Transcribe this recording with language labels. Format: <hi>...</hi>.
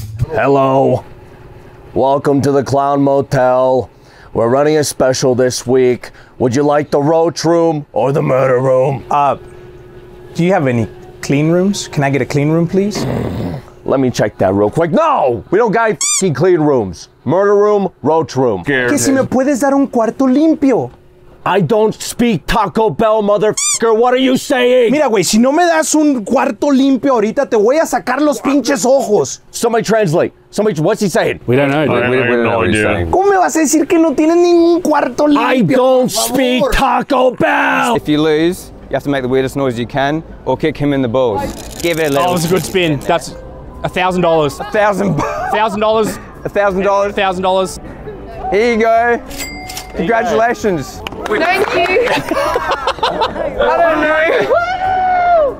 <en>Hello. Welcome to the Clown Motel. We're running a special this week. Would you like the roach room or the murder room? Do you have any clean rooms? Can I get a clean room, please? Let me check that real quick. No! We don't got any f***ing clean rooms. Murder room, roach room.</en> <es>Que si me puedes dar un cuarto limpio.</es> <en>I don't speak Taco Bell, motherfucker. What are you saying?</en> <es>Mira, güey, si no me das un cuarto limpio ahorita, te voy a sacar los pinches ojos.</es> <en>Somebody translate. Somebody, what's he saying? We don't know, dude. We don't know what he's saying.</en> <es>¿Cómo me vas a decir que no tienes ningún cuarto limpio?</es> <en>I don't speak Taco Bell. If you lose, you have to make the weirdest noise you can or kick him in the balls. Give it a little. Oh, that was a good spin. That's $1,000. $1,000. $1,000. $1,000. $1,000. Here you go. Congratulations. Thank you. I don't know.</en>